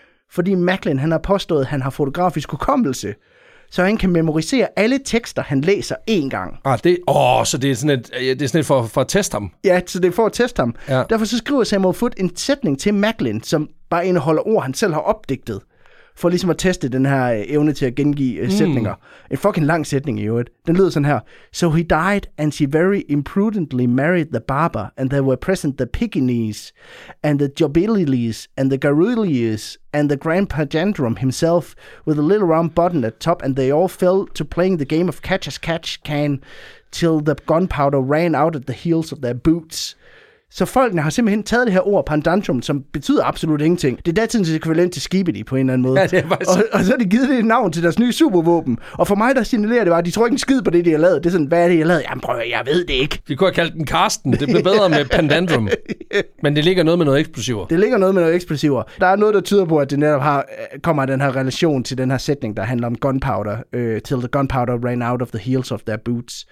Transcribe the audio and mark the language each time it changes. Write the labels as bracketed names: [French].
[Danish] Fordi Macklin, han har påstået, at han har fotografisk hukommelse, så han kan memorisere alle tekster, han læser én gang. Så det er sådan for at teste ham? Ja, så det er for at teste ham. Ja. Derfor så skriver Samuel Foote en sætning til Macklin, som bare indeholder ord, han selv har opdigtet. For ligesom at teste den her evne til at gengive sætninger. En fucking lang sætning i øvrigt. Den lyder sådan her. [English] So he died, and she very imprudently married the barber, and there were present the Pekingese, and the Jobilis, and the Garulis, and the Grand Pajandrum himself, with a little round button at top, and they all fell to playing the game of catch-as-catch-can, till the gunpowder ran out at the heels of their boots. [Danish] Så folkene har simpelthen taget det her ord, pandandrum, som betyder absolut ingenting. Det er datidens ekvivalent til skibidi på en eller anden måde. Ja, det er bare så. Og så har de givet det et navn til deres nye supervåben. Og for mig, der signalerer det bare, at de tror ikke en skid på det, de har lavet. Det er sådan, hvad er det, jeg har lavet? Jamen prøv, jeg ved det ikke. Vi kunne have kaldt den Karsten. Det blev bedre med pandandrum. Men det ligger noget med noget eksplosiver. Der er noget, der tyder på, at det netop kommer af den her relation til den her sætning, der handler om gunpowder. [English] Till the gunpowder ran out of the heels of their boots.